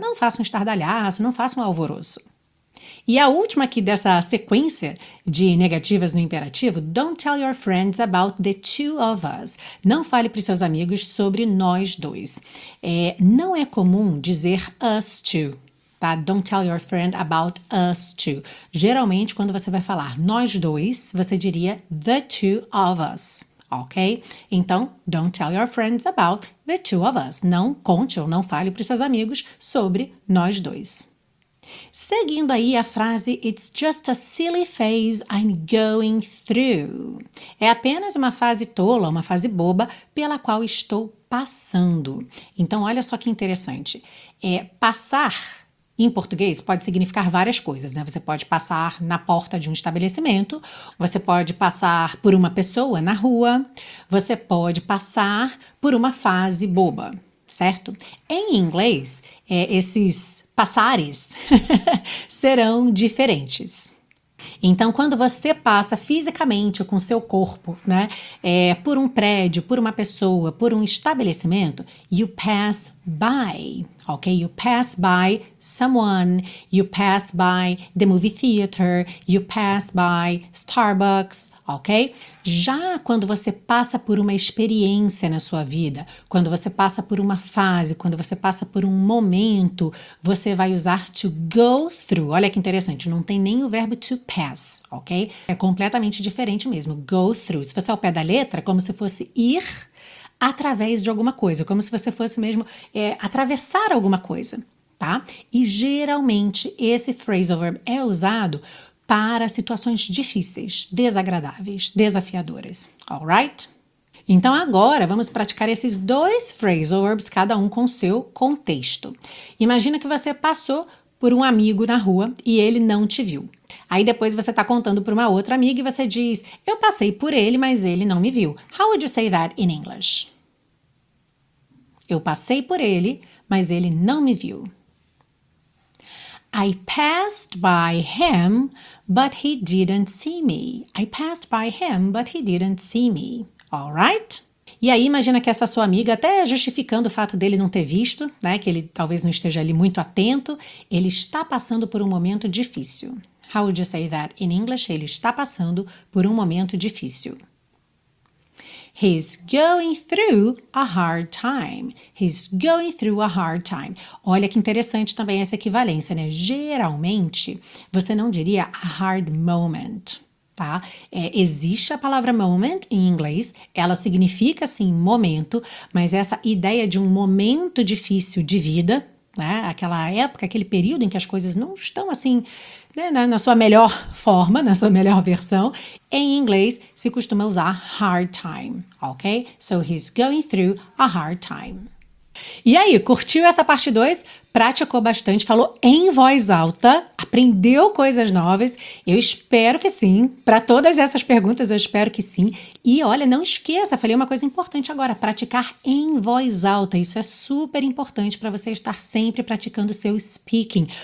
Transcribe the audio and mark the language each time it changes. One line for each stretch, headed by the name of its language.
Portuguese: Não faça um estardalhaço, não faça um alvoroço. E a última aqui dessa sequência de negativas no imperativo,
English: don't tell your friends about the two of us.
Portuguese: Não fale para os seus amigos sobre nós dois. Não é comum dizer us two, tá?
English: Don't tell your friend about us two.
Portuguese: Geralmente, quando você vai falar nós dois, você diria
English: the two of us,
Portuguese: ok? Então,
English: don't tell your friends about the two of us.
Portuguese: Não conte ou não fale para os seus amigos sobre nós dois. Seguindo aí a frase
English: It's just a silly phase I'm going through.
Portuguese: É apenas uma fase tola, uma fase boba pela qual estou passando. Então, olha só que interessante. Passar em português pode significar várias coisas, né? Você pode passar na porta de um estabelecimento, você pode passar por uma pessoa na rua, você pode passar por uma fase boba, certo? Em inglês, esses passares serão diferentes. Então, quando você passa fisicamente com seu corpo, né, por um prédio, por uma pessoa, por um estabelecimento,
English: you pass by,
Portuguese: ok?
English: You pass by someone, you pass by the movie theater, you pass by Starbucks, ok?
Portuguese: Já quando você passa por uma experiência na sua vida, quando você passa por uma fase, quando você passa por um momento, você vai usar to go through. Olha que interessante, não tem nem o verbo to pass, ok? É completamente diferente mesmo, go through. Se fosse ao pé da letra, como se fosse ir através de alguma coisa, como se você fosse mesmo atravessar alguma coisa, tá? E geralmente esse phrasal verb é usado para situações difíceis, desagradáveis, desafiadoras.
English: All right?
Portuguese: Então agora vamos praticar esses dois phrasal verbs, cada um com seu contexto. Imagina que você passou por um amigo na rua e ele não te viu. Aí depois você está contando para uma outra amiga e você diz: eu passei por ele, mas ele não me viu.
English: How would you say that in English?
Portuguese: Eu passei por ele, mas ele não me viu.
English: I passed by him, but he didn't see me. I passed by him, but he didn't see me. All right?
Portuguese: E aí, imagina que essa sua amiga, até justificando o fato dele não ter visto, né, que ele talvez não esteja ali muito atento, ele está passando por um momento difícil.
English: How would you say that in English?
Portuguese: Ele está passando por um momento difícil.
English: He's going through a hard time. He's going through a hard time.
Portuguese: Olha que interessante também essa equivalência, né? Geralmente, você não diria
English: a hard moment,
Portuguese: tá? Existe a palavra moment em inglês, ela significa assim momento, mas essa ideia de um momento difícil de vida, né? Aquela época, aquele período em que as coisas não estão assim, né, na sua melhor forma, na sua melhor versão, em inglês se costuma usar hard time, ok?
English: So he's going through a hard time.
Portuguese: E aí, curtiu essa parte 2? Praticou bastante, falou em voz alta, aprendeu coisas novas? Eu espero que sim. Para todas essas perguntas, eu espero que sim. E olha, não esqueça, falei uma coisa importante agora: praticar em voz alta. Isso é super importante para você estar sempre praticando seu speaking.